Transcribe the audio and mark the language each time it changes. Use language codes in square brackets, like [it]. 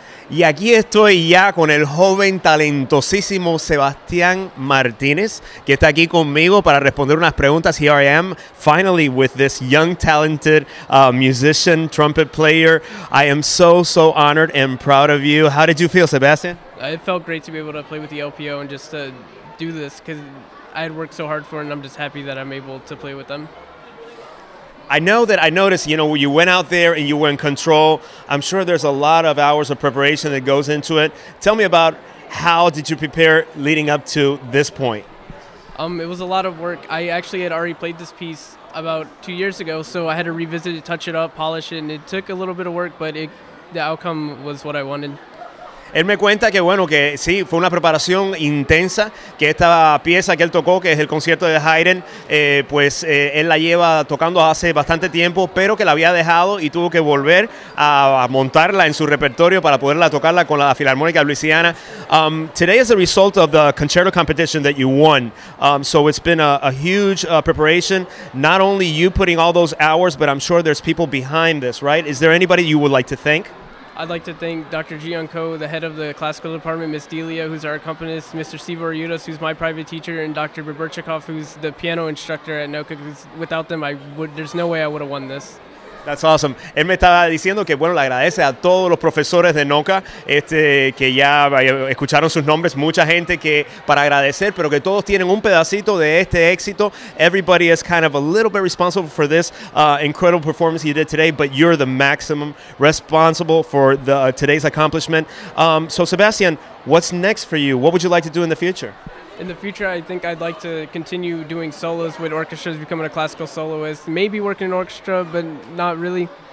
[es] Y aquí estoy ya con el joven talentosísimo Sebastián Martínez, que está aquí conmigo para responder unas preguntas. [en] Here I am, finally, with this young, talented musician, trumpet player. I am so, so honored and proud of you. How did you feel, Sebastian? It felt great to be able to play with the LPO and just to do this, because I had worked so hard for it, and I'm just happy that I'm able to play with them. I know that I noticed, you know, you went out there and you were in control. I'm sure there's a lot of hours of preparation that goes into it. Tell me about how did you prepare leading up to this point? It was a lot of work. I actually had already played this piece about 2 years ago, so I had to revisit it, touch it up, polish it, and it took a little bit of work, but the outcome was what I wanted. [es] Él me cuenta que, bueno, que sí, fue una preparación intensa, que esta pieza que él tocó, que es el concierto de Haydn, él la lleva tocando hace bastante tiempo, pero que la había dejado y tuvo que volver a montarla en su repertorio para poderla tocarla con la Filarmónica de Louisiana. [en] Today is the result of the concerto competition that you won. So it's been a huge preparation. Not only you putting all those hours, but I'm sure there's people behind this, right? Is there anybody you would like to thank? I'd like to thank Dr. Jian Ko, the head of the classical department, Ms. Delia, who's our accompanist, Mr. Steve Oryudos, who's my private teacher, and Dr. Baburchikov, who's the piano instructor at NOCCA. Without them, there's no way I would have won this. That's awesome. [es] Él me estaba diciendo que, bueno, le agradece a todos los profesores de NOCCA, que ya escucharon sus nombres, mucha gente que para agradecer, pero que todos tienen un pedacito de este éxito. [en] Everybody is kind of a little bit responsible for this incredible performance you did today, but you're the maximum responsible for today's accomplishment. So, Sebastian, what's next for you? What would you like to do in the future? In the future, I think I'd like to continue doing solos with orchestras, becoming a classical soloist, maybe working in an orchestra, but not really.